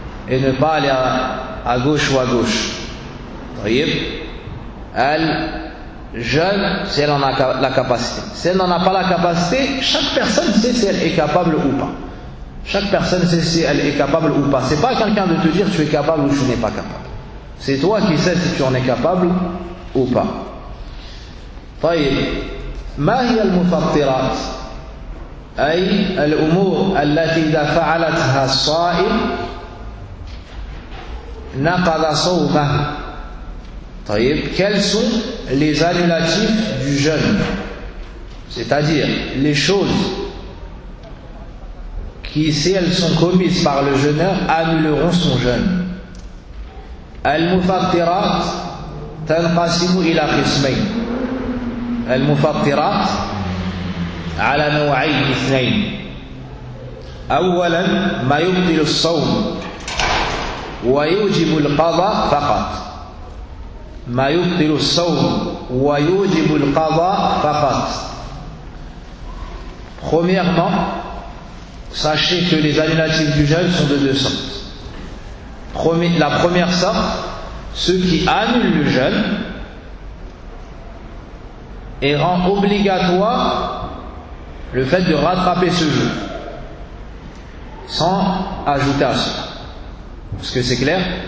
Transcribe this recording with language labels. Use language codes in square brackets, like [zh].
[fr] et ne pas aller à gauche ou à gauche. Voyez, elle, jeune, si elle en a la capacité. Si elle n'en a pas la capacité, chaque personne sait si elle est capable ou pas. Chaque personne sait si elle est capable ou pas. C'est pas quelqu'un de te dire tu es capable ou tu n'es pas capable. C'est toi qui sais si tu en es capable ou pas. [ar] طيب ما هي المفطرات اي الامور التي اذا فعلتها الصائم نقض صومه. [fr] طيب quels sont les annulatifs du jeûne, c'est-à-dire les choses qui, si elles sont commises par le jeûneur, annuleront son jeûne. [ar] المفطرات تنقسم الى قسمين. المفطرات على نوعين اثنين. أولا ما يبطل الصوم ويوجب القضاء فقط. ما يبطل الصوم ويوجب القضاء فقط. [fr] Premièrement, sachez que les annulatifs du jeûne sont de deux sortes. La première sorte, ceux qui annulent le jeûne et rend obligatoire le fait de rattraper ce jeûne sans ajouter à cela. Est-ce que c'est clair?